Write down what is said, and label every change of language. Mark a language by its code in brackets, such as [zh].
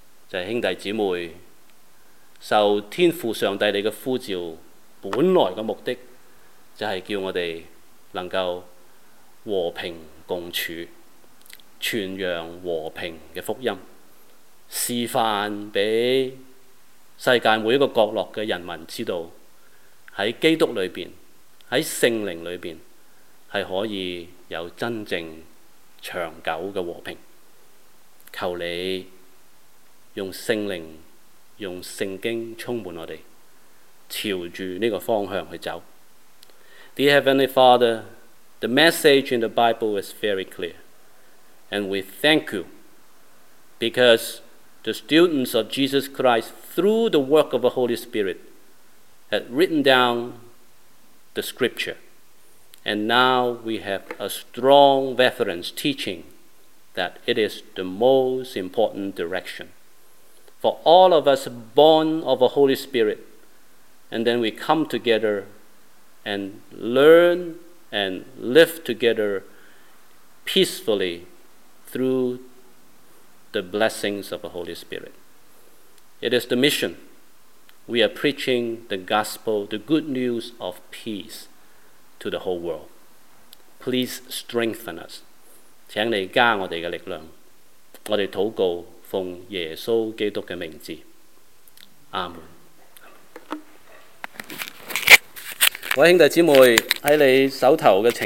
[zh] 就是兄弟姊妹受天父上帝你的呼召，本来的目的就是叫我们能够和平共处，传扬和平的福音，示范给世界每一个角落的人民知道，在基督里面，在圣灵里面，是可以有真正长久的和平。求你用圣灵用圣经充满我们，朝着这个方向去走。 [en] Dear Heavenly Father, the message in the Bible is very clear, and we thank you because the students of Jesus Christ through the work of the Holy Spirit had written down the scripture. And now we have a strong reference teaching that it is the most important direction. For all of us born of the Holy Spirit, and then we come together and learn and live together peacefully through the blessings of the Holy Spirit. It is the mission. We are preaching the gospel, the good news of peace to the whole world. Please strengthen us. [zh] 请你加我们的力量。我们祷告奉耶稣基督的名字。阿们。各位兄弟姊妹，在你手头的情